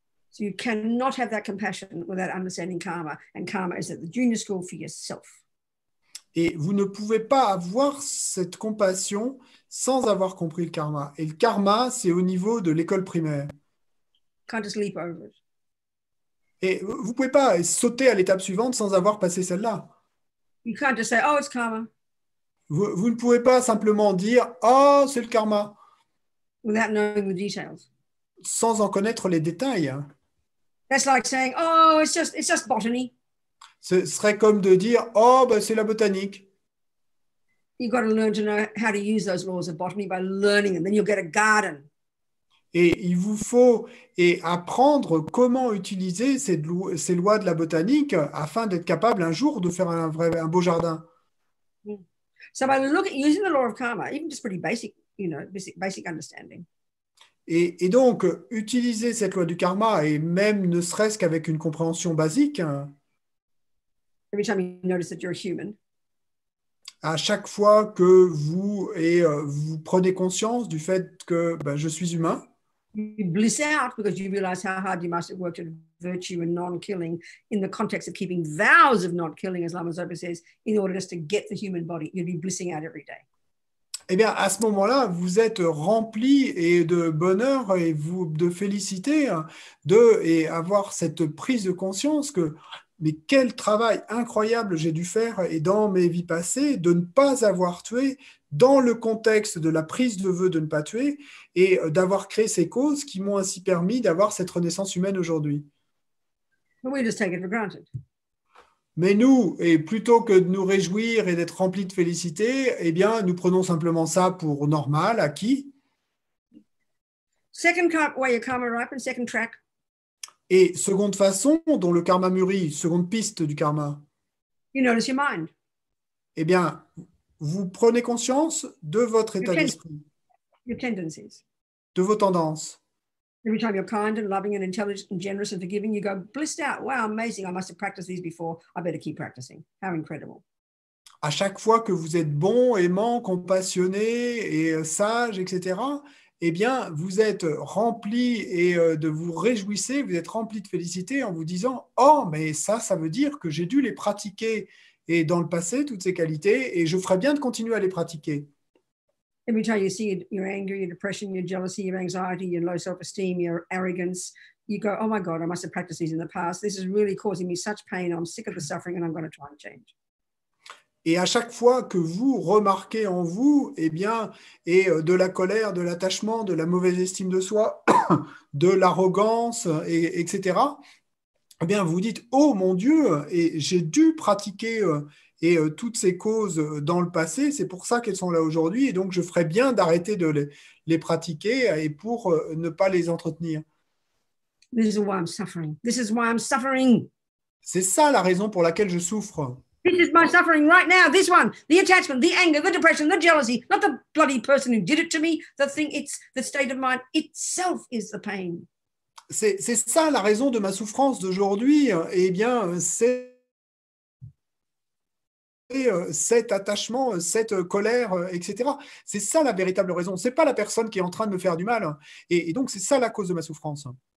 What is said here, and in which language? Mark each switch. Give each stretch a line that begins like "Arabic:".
English: So you cannot have that compassion without understanding karma, and karma is at the junior school for yourself.
French: Et vous ne pouvez pas avoir cette compassion sans avoir compris le karma. Et le karma, c'est au niveau de l'école primaire.
English: Can't just leap over it.
French: Et vous ne pouvez pas sauter à l'étape suivante sans avoir passé celle-là.
English: You can't just say, oh, it's karma.
French: Vous ne pouvez pas simplement dire, oh, c'est le karma.
English: Without knowing the details.
French: Sans en connaître les détails.
English: That's like saying, oh, it's just botany.
French: Ce serait comme de dire, oh, ben, c'est la botanique.
English: You've got to learn to know how to use those laws of botany by learning them. Then you'll get a garden.
French: Et il vous faut et apprendre comment utiliser ces lois de la botanique afin d'être capable un jour de faire un beau jardin.
English: So by using the law of karma, even just pretty basic, you know, basic understanding.
French: Et donc, utiliser cette loi du karma, et même ne serait-ce qu'avec une compréhension basique,
English: every time you notice that you're human,
French: à chaque fois que vous, et, vous prenez conscience du fait que ben, je suis humain,
English: you bliss out because you realize how hard you must have worked at virtue and non-killing in the context of keeping vows of not killing, as Lama Zopa says, in order just to get the human body. You'd be blissing out every day.
French: Eh bien, à ce moment-là, vous êtes rempli et de bonheur et vous de félicité de et avoir cette prise de conscience que mais quel travail incroyable j'ai dû faire et dans mes vies passées de ne pas avoir tué dans le contexte de la prise de vœu de ne pas tuer et d'avoir créé ces causes qui m'ont ainsi permis d'avoir cette renaissance humaine aujourd'hui.
English: We just take it for granted.
French: Mais nous, et plutôt que de nous réjouir et d'être remplis de félicité, eh bien, nous prenons simplement ça pour normal, acquis.
English: Second way your karma ripens, second track.
French: Et seconde façon dont le karma mûrit, seconde piste du karma.
English: You notice your mind.
French: Eh bien, vous prenez conscience de votre état d'esprit.
English: Your tendencies.
French: De vos tendances.
English: Every time you're kind and loving and intelligent and generous and forgiving, you go blissed out. Wow, amazing! I must have practiced these before. I better keep practicing. How incredible!
French: À chaque fois que vous êtes bon, aimant, compassionné et sage, etc., eh bien, vous êtes rempli et de vous réjouissez. Vous êtes rempli de félicité en vous disant, oh, mais ça veut dire que j'ai dû les pratiquer et dans le passé toutes ces qualités et je ferais bien de continuer à les pratiquer.
English: Every time you see your anger, your depression, your jealousy, your anxiety, your low self-esteem, your arrogance, you go, oh my God, I must have practiced these in the past. This is really causing me such pain. I'm sick of the suffering and I'm going to try and change.
French: Et à chaque fois que vous remarquez en vous, eh bien, et de la colère, de l'attachement, de la mauvaise estime de soi, de l'arrogance, et, etc., eh bien, vous dites, oh mon Dieu, et j'ai dû pratiquer... Et toutes ces causes dans le passé, c'est pour ça qu'elles sont là aujourd'hui. Et donc, je ferais bien d'arrêter de les pratiquer et pour ne pas les entretenir.
English: This is why I'm suffering. This is why I'm suffering.
French: C'est ça la raison pour laquelle je souffre.
English: This is my suffering right now. This one, the attachment, the anger, the depression, the jealousy. Not the bloody person who did it to me. The thing, it's the state of mind itself is the pain.
French: C'est ça la raison de ma souffrance d'aujourd'hui. Eh bien, c'est cet attachement, cette colère, etc. C'est ça la véritable raison. C'est pas la personne qui est en train de me faire du mal. Et donc, c'est ça la cause de ma souffrance.